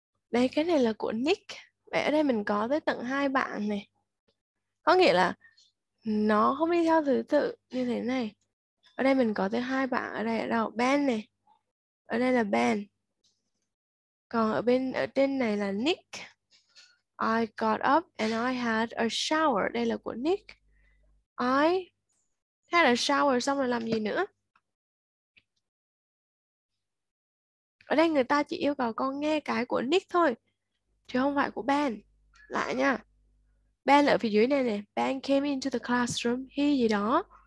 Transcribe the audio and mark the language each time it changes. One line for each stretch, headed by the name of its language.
Vietnamese: Đây, cái này là của Nick. Vậy ở đây mình có tới tận hai bạn này. Có nghĩa là nó không đi theo thứ tự như thế này. Ở đây mình có tới hai bạn. Ở đây ở đâu? Ben này. Ở đây là Ben. Còn ở bên ở trên này là Nick.
English: I got up and I had a shower.
Vietnamese: Đây là của Nick.
English: I had a shower
Vietnamese: xong rồi làm gì nữa? Ở đây người ta chỉ yêu cầu con nghe cái của Nick thôi, chứ không phải của Ben. Lại nha. Ben ở phía dưới này này.
English: Ben came into the classroom. He
Vietnamese: gì đó.